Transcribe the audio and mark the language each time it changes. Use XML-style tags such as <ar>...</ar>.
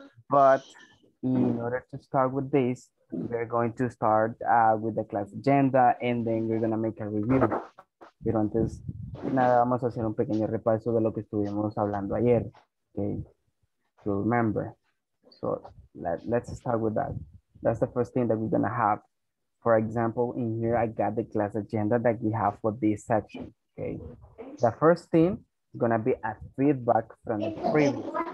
<en>But in order to start with this, we're going to start with the class agenda and then we're gonna make a review.</en> <es>Pero antes, nada, vamos a hacer un pequeño repaso de lo que estuvimos hablando ayer.</es> <en>Okay, to remember. So let's start with that. That's the first thing that we're gonna have. For example, in here, I got the class agenda that we have for this section, okay? The first thing is gonna be a feedback from the previous.</en>